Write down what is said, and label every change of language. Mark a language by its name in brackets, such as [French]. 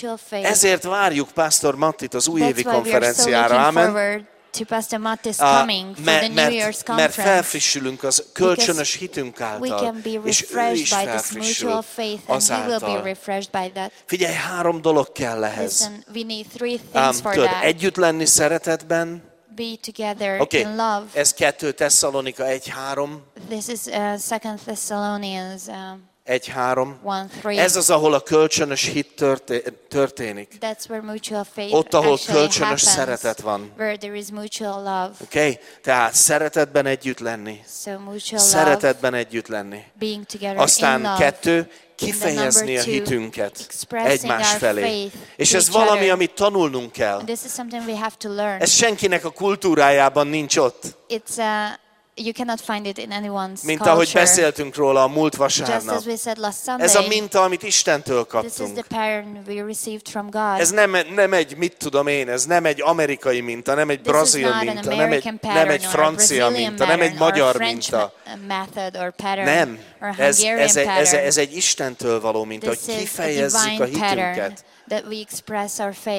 [Hungarian] Ezért várjuk Pastor Mattit az újévi konferenciára. Amen. [English] To Pastor Matt's coming for the New Year's conference. [Hungarian] Mert felfrissülünk az kölcsönös hitünk által, [English] we can be refreshed by this mutual faith, and [Hungarian] azáltal. [English] He will be refreshed by that. [Hungarian] Figyelj, három dolog kell ehhez. [English] Listen, we need three things for that. [Hungarian] Együtt lenni szeretetben. [English] Be together in love. [Hungarian] Ez 2 Tesszalonika 1:3. [English] This is 2 Thessalonians 1:3. [Hungarian] Ez az, ahol a kölcsönös hit történik. [English] That's where mutual faith, [Hungarian] ott, ahol kölcsönös [English] happens, [Hungarian] szeretet van. [English] Where there is mutual love. Okay? [Hungarian] Tehát szeretetben együtt lenni. [English] So mutual love. [Hungarian] Szeretetben együtt lenni. [English] Being together. [Hungarian] Aztán [English] in love. 2. [Hungarian] Kifejezni a hitünket egymás felé. És ez [English] other. [Hungarian] Valami, amit tanulnunk kell. [English] This is something we have to learn. [Hungarian] Ez senkinek a kultúrájában nincs ott. [English] It's a you cannot find it in anyone's culture. [Hungarian] Mint ahogy beszéltünk róla a múlt vasárnap. [English] Just as we said last Sunday. [Hungarian] Ez a minta, amit Istentől kaptunk. [English] This is the pattern we received from God. [Hungarian] Ez nem egy mit tudom én, ez nem egy amerikai minta, nem egy brazil minta, nem egy francia minta, nem egy magyar minta. [English] Method or pattern. [Hungarian] Nem. [English] Or [Hungarian] ez egy Istentől való minta, hogy kifejezzük a hitünket. [English] That we express our faith.